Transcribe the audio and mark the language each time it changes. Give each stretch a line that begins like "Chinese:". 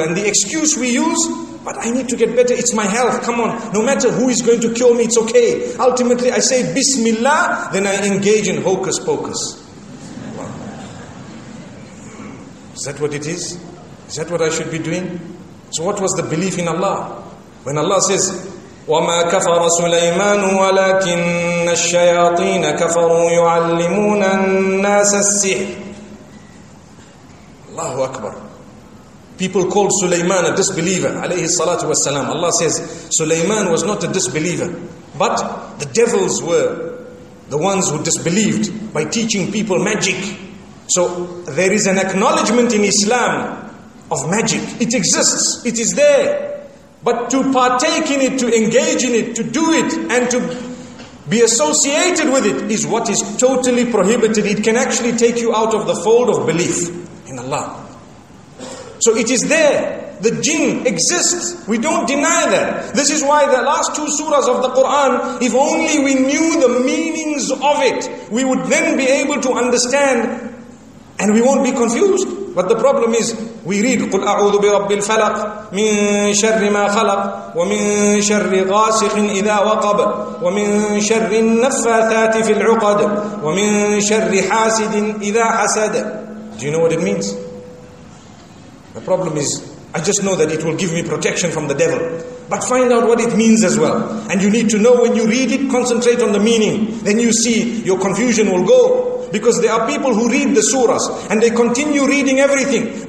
English: And the excuse we use, but I need to get better, it's my health, come on. No matter who is going to cure me, it's okay. Ultimately, I say Bismillah, then I engage in hocus pocus. Wow. Is that what it is? Is that what I should be doing? So what was the belief in Allah? When Allah says,
Arabic: وَمَا كَفَرَ سُلَيْمَانُ وَلَكِنَّ الشَّيَاطِينَ كَفَرُوا يُعَلِّمُونَ النَّاسَ السِّحْرِ. Allahu Akbar.
English: People called Sulaiman a disbeliever, alayhi salatu wasalam. Allah says, Sulaiman was not a disbeliever, but the devils were the ones who disbelieved by teaching people magic. So there is an acknowledgement in Islam of magic. It exists, it is there. But to partake in it, to engage in it, to do it, and to be associated with it is what is totally prohibited. It can actually take you out of the fold of belief in Allah. So it is there. The jinn exists. We don't deny that. This is why the last two surahs of the Quran, if only we knew the meanings of it, we would then be able to understand and we won't be confused. But the problem is, we read,
Arabic: قُلْ أَعُوذُ بِرَبِّ الْفَلَقِ مِن شَرِّ مَا خَلَقَ وَمِن شَرِّ غَاسِقٍ إِذَا وَقَبَ وَمِن شَرِّ النَّفَّاثَاتِ فِي الْعُقَدِ وَمِن شَرِّ حَاسِدٍ إِذَا حَسَدَ.
English: Do you know what it means? The problem is, I just know that it will give me protection from the devil. But find out what it means as well. And you need to know when you read it, concentrate on the meaning. Then you see your confusion will go. Because there are people who read the surahs and they continue reading everything.